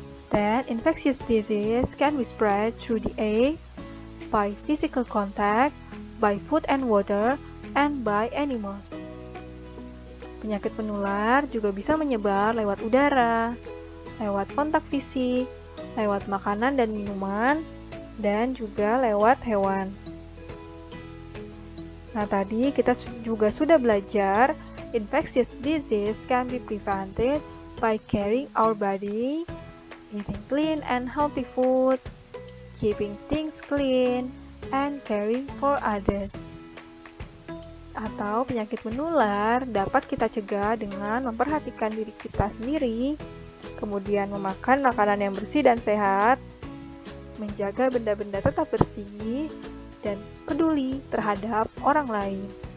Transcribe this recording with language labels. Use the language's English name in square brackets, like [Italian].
[English] Then, infectious disease can be spread through the air, by physical contact, by food and water, and by animals. [Indonesian] Penyakit menular juga bisa menyebar lewat udara, lewat kontak fisik, lewat makanan dan minuman, dan juga lewat hewan. Nah, tadi kita juga sudah belajar, [English] infectious disease can be prevented by caring our body, eating clean and healthy food, keeping things clean, and caring for others. [Indonesian] Atau penyakit menular dapat kita cegah dengan memperhatikan diri kita sendiri, kemudian memakan makanan yang bersih dan sehat, menjaga benda-benda tetap bersih, dan peduli terhadap orang lain.